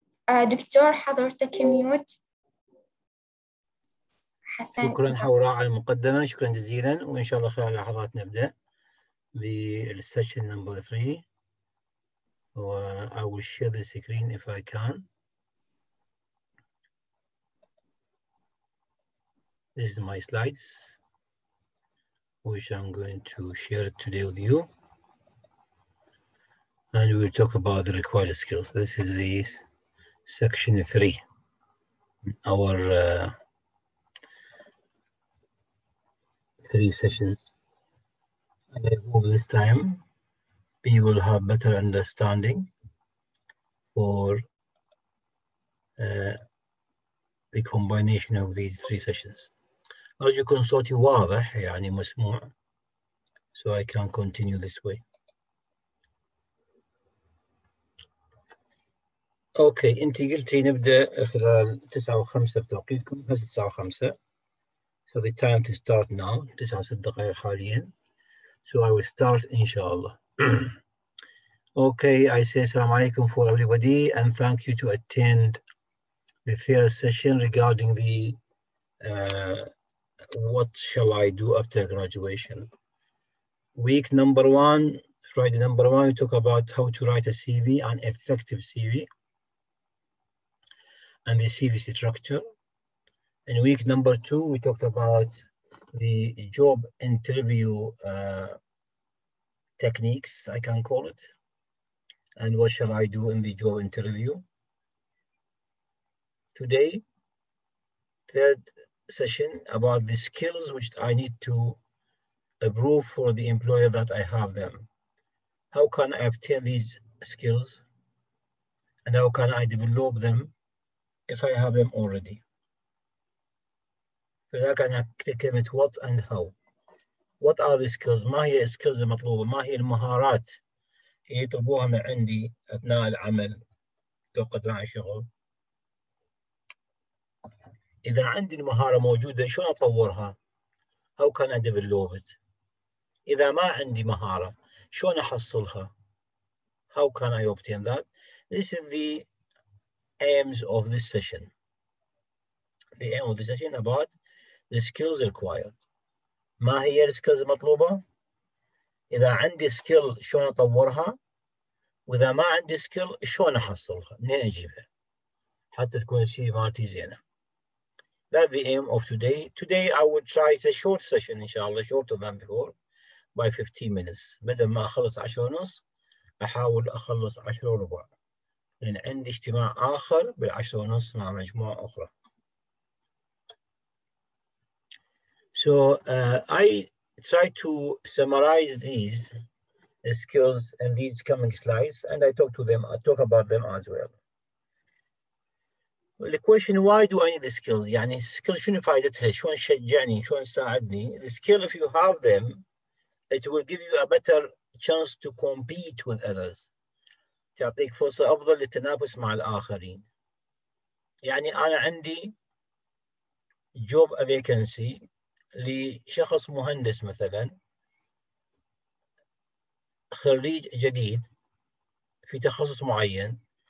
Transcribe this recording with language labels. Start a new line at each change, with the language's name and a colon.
Arabic: دكتور حضرتك ميوت. حسن شكرا حوراء على المقدمة، شكرا جزيلا، وإن شاء الله خلال لحظات نبدأ بالسيشن نمبر 3 و
English: I will share the screen if I can. This is my slides which I'm going to share today with you, and we'll talk about the required skills. This is the section 3 our 3 sessions. And I hope this time we will have better understanding for the combination of these 3 sessions.
Arabic: أرجوكم صوتي واضح يعني مسموع
English: so I can continue this way.
Arabic: اوكي انت قلتي نبدا خلال 9:05 بتوقيتكم هسه 9:05
English: so the time to start now 9:06
Arabic: دقائق حاليا
English: so I will start
Arabic: ان شاء الله.
English: okay I say
Arabic: السلام عليكم
English: for everybody and thank you to attend the first session regarding the what shall I do after graduation. Week number one, Friday number one, we talk about how to write a CV, an effective CV, and the CV structure. And week number two, we talked about the job interview techniques, I can call it, and what shall I do in the job interview. Today, third session about the skills which I need to approve for the employer that I have them. How can I obtain these skills and how can I develop them if I have them already?
Arabic: فذاك أنا كلمة
English: what and how. What are the skills?
Arabic: ما هي skills المطلوبة؟ ما هي المهارات اللي يطلبوها من عندي أثناء العمل توقيت مع الشغل؟ إذا عندي المهارة موجودة شو أطورها؟
English: How can I develop it؟
Arabic: إذا ما عندي مهارة شو أحصلها؟
English: How can I obtain that؟ This is the aims of this session. The aim of the session about the skills required.
Arabic: ما هي السكيلز المطلوبة؟ إذا عندي سكيل شو أطورها؟ وإذا ما عندي سكيل شو أحصلها؟ منين أجيبها؟ حتى تكون شيء مالتي زينة.
English: That's the aim of today. Today I would try a short session, inshallah, shorter than before, by 15 minutes.
Arabic: بدل ما أخلص 10:30, أحاول أخلص 10:15. لأن عندي اجتماع آخر بالعشرة ونص مع مجموعة أخرى.
English: So I try to summarize these skills and these coming slides, and I talk to them. I talk about them as well. The question, why do I need the skills?
Arabic: يعني سكيل شنو فائدتها؟ شلون شجعني؟ شلون ساعدني؟
English: The skill, if you have them, it will give you a better chance to compete with others.
Arabic: تعطيك فرصة أفضل للتنافس مع الآخرين. يعني أنا عندي job vacancy لشخص مهندس مثلا خريج جديد في تخصص معين.